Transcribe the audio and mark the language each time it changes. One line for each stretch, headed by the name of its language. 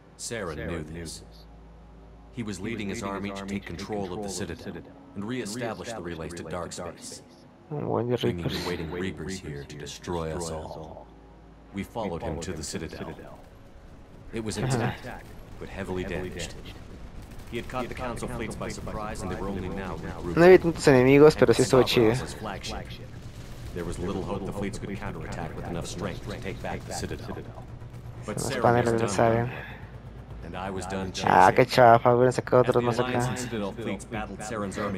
English: Saren knew this. He was leading his army to take control of the Citadel and re-establish the relays to dark space, bringing the waiting Reapers here to destroy us all. We followed him to the Citadel. It was intact, but heavily damaged. He had caught the council fleets by surprise, and they were only now regrouping.
Spanish: No había tantos enemigos, pero sí estuvo chido.
English: There was little hope the fleets could counterattack with enough strength to take back the Citadel. But Saren was done with it, and I was done chasing.
Spanish: Ah, qué chafa, hubiera sacado otros más acá.